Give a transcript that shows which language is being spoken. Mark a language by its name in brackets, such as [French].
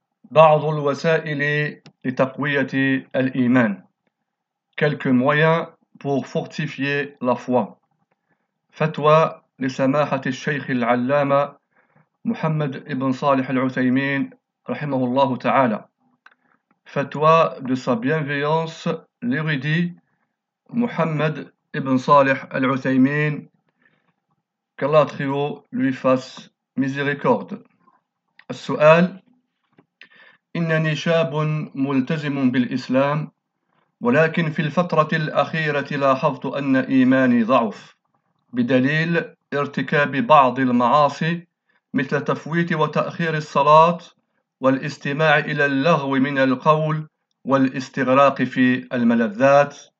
[Arabic] بعض الوسائل لتقوية الإيمان. [French] Quelques moyens pour fortifier la foi. [Arabic] فتوى لسماحة الشيخ العلامة محمد بن صالح العثيمين رحمه الله تعالى. [French] فتوى de sa bienveillance l'érudit محمد بن صالح العثيمين. Qu'Allah très haut lui fasse miséricorde. [Arabic] السؤال: إنني شاب ملتزم بالإسلام، ولكن في الفترة الأخيرة لاحظت أن إيماني ضعف بدليل ارتكاب بعض المعاصي مثل تفويت وتأخير الصلاة والاستماع إلى اللغو من القول والاستغراق في الملذات،